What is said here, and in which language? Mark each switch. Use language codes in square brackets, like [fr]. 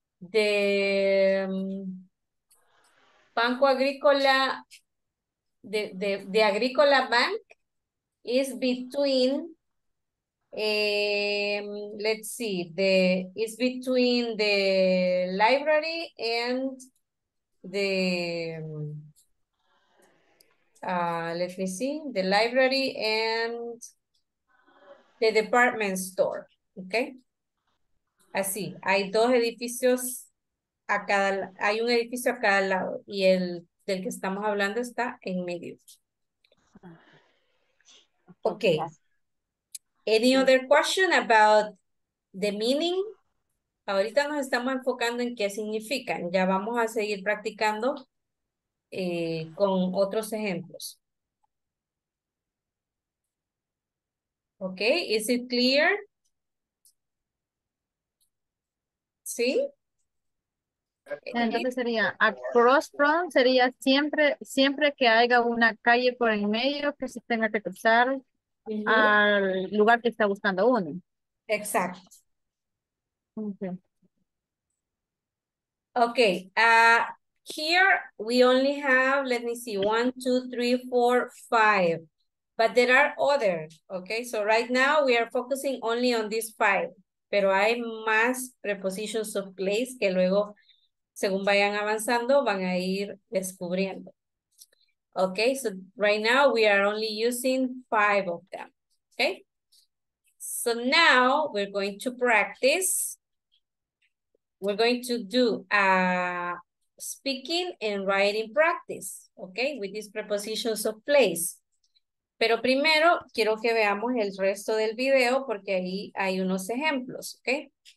[en] The Banco Agrícola, the Agrícola Bank is between, let's see, the is between the library and the, let me see, the library and the department store, okay? [es] Así, hay dos edificios a cada, hay un edificio a cada lado y el del que estamos hablando está en medio. [en] Okay. Any other question about the meaning? [es] Ahorita nos estamos enfocando en qué significan. Ya vamos a seguir practicando con otros ejemplos. [en] Okay, is it clear? [es] ¿Sí? Entonces sería, a crossroad sería siempre, siempre que haya una calle por el medio que se tenga que cruzar. Uh-huh. Al lugar que está buscando uno. Exacto. [en] Okay. Okay. Here we only have, let me see, 1, 2, 3, 4, 5. But there are others. Okay. So right now we are focusing only on these 5. [es] Pero hay más prepositions of place que luego, según vayan avanzando, van a ir descubriendo. [en] Okay, so right now we are only using 5 of them, okay? So now we're going to practice. We're going to do speaking and writing practice, okay? With these prepositions of place. [es] Pero primero quiero que veamos el resto del video porque ahí hay unos ejemplos, okay?